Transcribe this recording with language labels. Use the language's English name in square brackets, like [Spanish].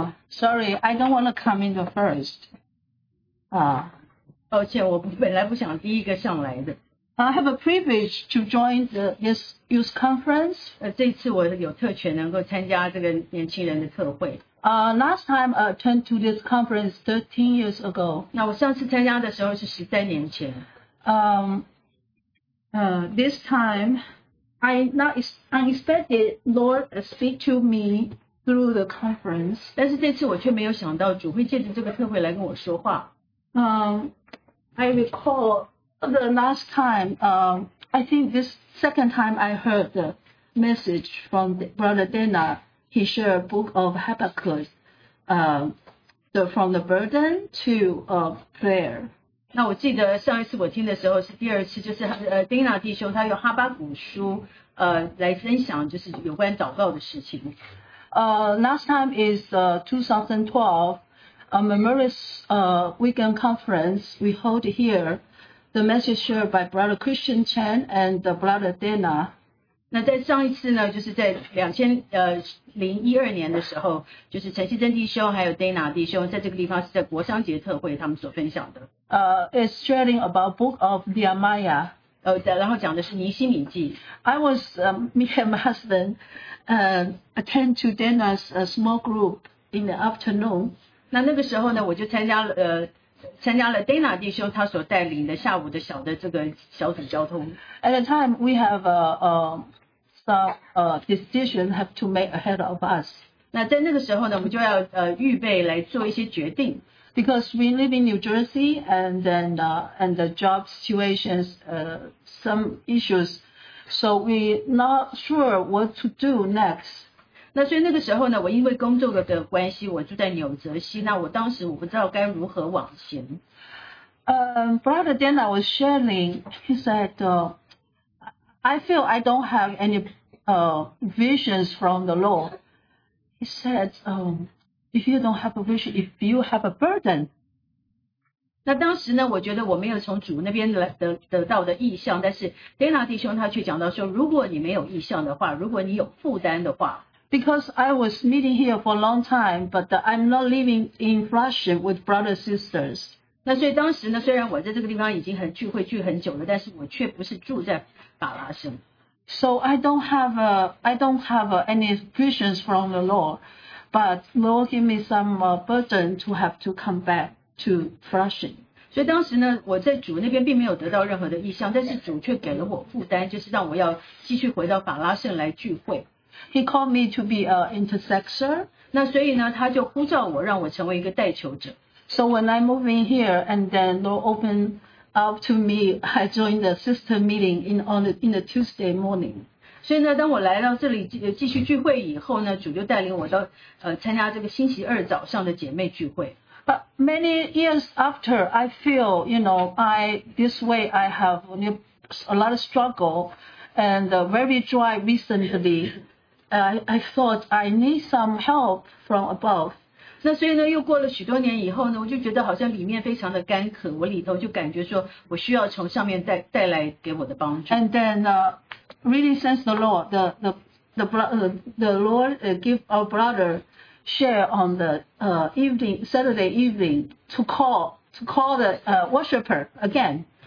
[English] Sorry, I don't want to come in the first. [Chinese] 抱歉，我本来不想第一个上来的。 [English] I have a privilege to join this youth conference. [Chinese] 这次我有特权能够参加这个年轻人的特会。 [English] Last time I attended to this conference 13 years ago. [Chinese] 那我上次参加的时候是13年前。 [English] This time, I not unexpected Lord speak to me through the conference. [Chinese] 但是这次我却没有想到主会借着这个特会来跟我说话。 [English] I recall the last time, I think this second time I heard the message from Brother Dana. He shared a book of Habakkuk, from the burden to prayer. [Chinese] 那我记得上一次我听的时候是第二次，就是Dana 弟兄他用哈巴谷书来分享，就是有关祷告的事情。 [English] Last time is 2012, a memorial weekend conference we hold here. The message shared by Brother Christian Chan and Brother Dana. [Chinese] 那在上一次呢，就是在2012年的时候，就是陈锡珍弟兄还有 Dana 弟兄在这个地方是在国商节特会他们所分享的。 [English] It's sharing about Book of Nehemiah. [Chinese] 然后讲的是尼希米记。 [English] I was me and my husband. Attend to Dana's small group in the afternoon. [Chinese] 那个时候呢，我就参加了 Dana 弟兄他所带领的下午的小的这个小组交通。 [English] At the time, we have some decision have to make ahead of us. [Chinese] 那在那个时候呢，我们就要预备来做一些决定。 [English] Because we live in New Jersey, and then and the job situations, some issues. So we not sure what to do next. [Chinese] 那所以那个时候呢，我因为工作的关系，我住在纽泽西。那我当时我不知道该如何往前。 [English] Brother Dana was sharing. He said, "I feel I don't have any visions from the Lord." He said, "If you don't have a vision, if you have a burden." [Chinese] 那当时呢，我觉得我没有从主那边来 得到的意象，但是 Dana 弟兄他却讲到说，如果你没有意象的话，如果你有负担的话 [English] ，Because I was meeting here for a long time, but I'm not living in fellowship with brothers and sisters. [Chinese] 那所以当时呢，虽然我在这个地方已经很聚会聚很久了，但是我却不是住在法拉盛。 [English] So I don't have any visions from the Lord, but Lord gave me some burden to have to come back. To flushing. [Chinese] 所以当时呢，我在主那边并没有得到任何的意向，但是主却给了我负担，就是让我要继续回到法拉盛来聚会。 [English] He called me to be an intercessor. [Chinese] 那所以呢，他就呼召我，让我成为一个代求者。 [English] So when I move in here, and then Lord opened up to me, I joined the sister meeting in the Tuesday morning. [Chinese] 所以呢，当我来到这里继续聚会以后呢，主就带领我到参加这个星期二早上的姐妹聚会。 [English] But many years after, I feel, you know, I have a lot of struggle and very dry recently. I thought I need some help from above. [Chinese] 那所以呢，又过了许多年以后呢，我就觉得好像里面非常的干渴，我里头就感觉说我需要从上面带来给我的帮助。 [English] And then, really sense the Lord, the Lord give our brother. Share on the evening Saturday evening to call the worshipper again.